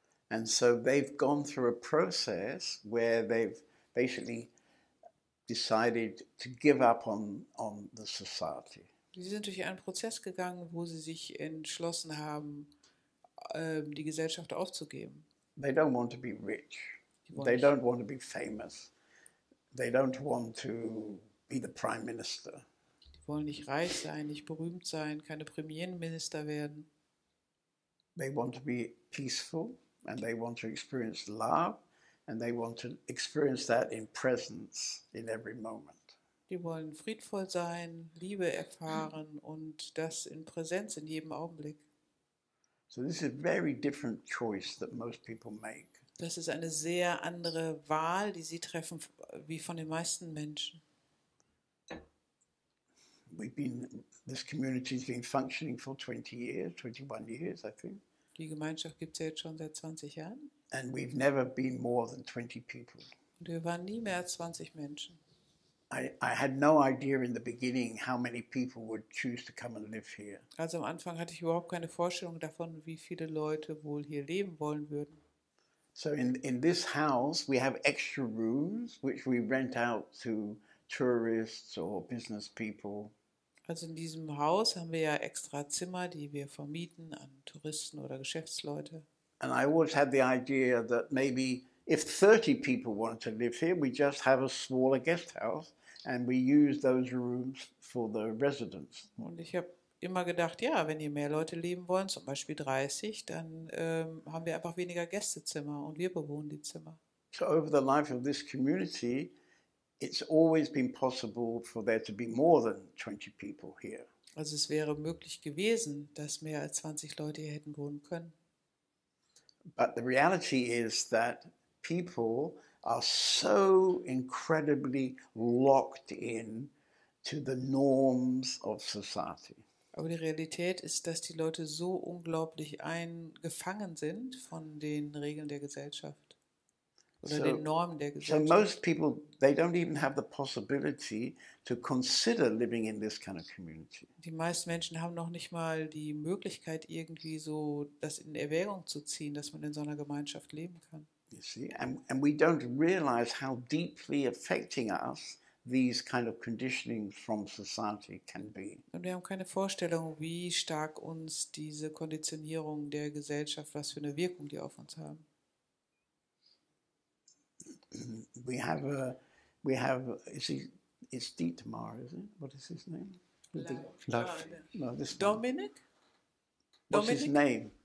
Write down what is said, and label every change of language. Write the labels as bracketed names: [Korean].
[English] And so they've gone through a process where they've basically decided to give up on the society. [German] Sie sind durch einen Prozess gegangen, wo sie sich entschlossen haben, die Gesellschaft aufzugeben. [English] They don't want to be rich. They don't want to be famous. They don't want to be the prime minister. [German] Die wollen nicht reich sein, nicht berühmt sein, keine Premierminister werden. [English] They want to be peaceful and they want to experience love and they want to experience that in presence in every moment. [German] Die wollen friedvoll sein, Liebe erfahren und das in Präsenz in jedem Augenblick. [English] So this is a very different choice that most people make. [German] Das ist eine sehr andere Wahl, die sie treffen, wie von den meisten Menschen. [English] This community has been functioning for 20 years, 21 years, I think. [German] Die Gemeinschaft gibt es ja jetzt schon seit 20 Jahren. [English] And we've never been more than 20 people. [German] Und wir waren nie mehr als 20 Menschen. [English] I had no idea in the beginning how many people would choose to come and live here. [German] Also am Anfang hatte ich überhaupt keine Vorstellung davon, wie viele Leute wohl hier leben wollen würden. [English] So in this house we have extra rooms which we rent out to tourists or business people. [German] Also in diesem Haus haben wir ja extra Zimmer, die wir vermieten an Touristen oder Geschäftsleute. [English] And I always had the idea that maybe if 30 people wanted to live here, we just have a smaller guest house and we use those rooms for the residents. [German] Und ich habe immer gedacht, ja, wenn hier mehr Leute leben wollen, zum Beispiel 30, dann haben wir einfach weniger Gästezimmer und wir bewohnen die Zimmer. [English] So over the life of this community, it's always been possible for there to be more than 20 people here. [German] Also es wäre möglich gewesen, dass mehr als 20 Leute hier hätten wohnen können. [English] But the reality is that people are so incredibly locked in to the norms of society. [German] Aber die Realität ist, dass die Leute so unglaublich eingefangen sind von den Regeln der Gesellschaft oder den Normen der Gesellschaft. [English] So most people, they don't even have the possibility to consider living in this kind of community. [German] Die meisten Menschen haben noch nicht mal die Möglichkeit, irgendwie so das in Erwägung zu ziehen, dass man in so einer Gemeinschaft leben kann. [English] You see, and we don't realize how deeply affecting us these kind of conditionings from society can be. [German] Und wir haben keine Vorstellung, wie stark uns diese Konditionierung der Gesellschaft, was für eine Wirkung die auf uns haben. [English] Is it Dietmar, is it? What is his name?